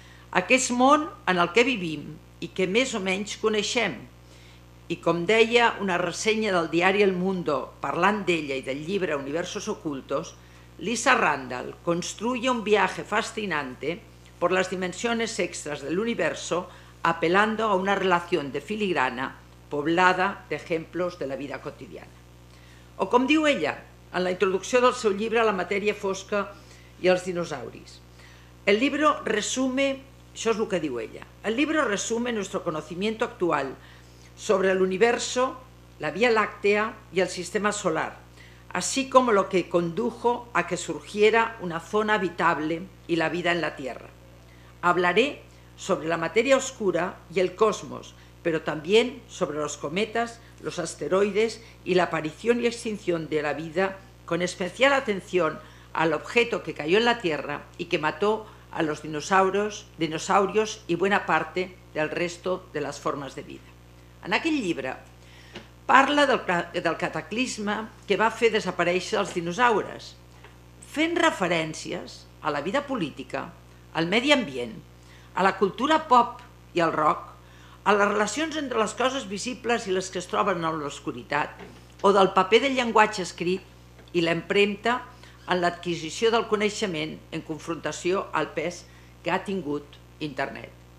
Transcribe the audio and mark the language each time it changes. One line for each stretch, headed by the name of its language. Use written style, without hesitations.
Catalan: Aquest món en el que vivim i que més o menys coneixem, i com deia una ressenya del diari El Mundo parlant d'ella i del llibre Universos Ocultos, Lisa Randall
Spanish: construye un viaje fascinante por las dimensiones extras del universo apelando a una relación de filigrana poblada
Catalan: d'exemples de la vida quotidiana. O com diu ella en la introducció del seu llibre La matèria fosca i els dinosauris.
Spanish: El libro resume,
Catalan: això és el que diu ella,
Spanish: el libro resume nuestro conocimiento actual sobre el universo, la Vía Láctea y el sistema solar, así como lo que condujo a que surgiera una zona habitable y la vida en la Tierra. Hablaré sobre la materia oscura y el cosmos, pero también sobre los cometas, los asteroides y la aparición y extinción de la vida, con especial atención al objeto que cayó en la Tierra y que mató a los dinosaurios y buena parte del resto de las formas de vida.
Catalan: En aquell llibre parla del cataclisme que va fer desaparèixer els dinosaures, fent referències a la vida política, al medi ambient, a la cultura pop i al rock, a les relacions entre les coses visibles i les que es troben en l'obscuritat, o del paper del llenguatge escrit i l'empremta en l'adquisició del coneixement en confrontació al pes que ha tingut internet.